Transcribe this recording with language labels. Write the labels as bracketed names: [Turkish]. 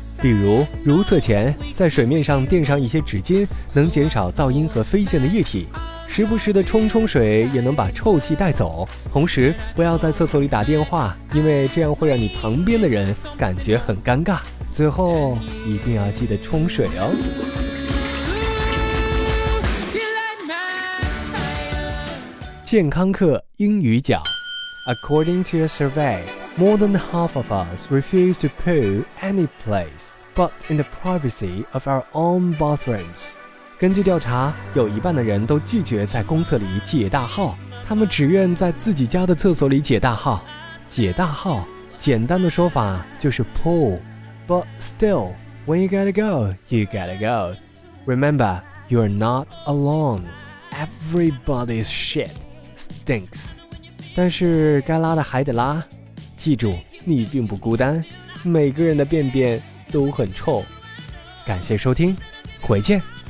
[Chinese] 比如如厕前在水面上垫上一些纸巾，能减少噪音和飞溅的液体，时不时的冲冲水也能把臭气带走。同时不要在厕所里打电话，因为这样会让你旁边的人感觉很尴尬。最后一定要记得冲水哦。健康课英语角。 [English] According to a survey, more than half of us refuse to poo any place but in the privacy of our own bathrooms. [Chinese] 根据调查，有一半的人都拒绝在公厕里解大号，他们只愿在自己家的厕所里解大号。解大号，简单的说法就是 pull。 [English] But still, when you gotta go, you gotta go. Remember, you're not alone. Everybody's shit stinks. [Chinese] 但是该拉的还得拉，记住你并不孤单，每个人的便便都很臭。感谢收听，回见。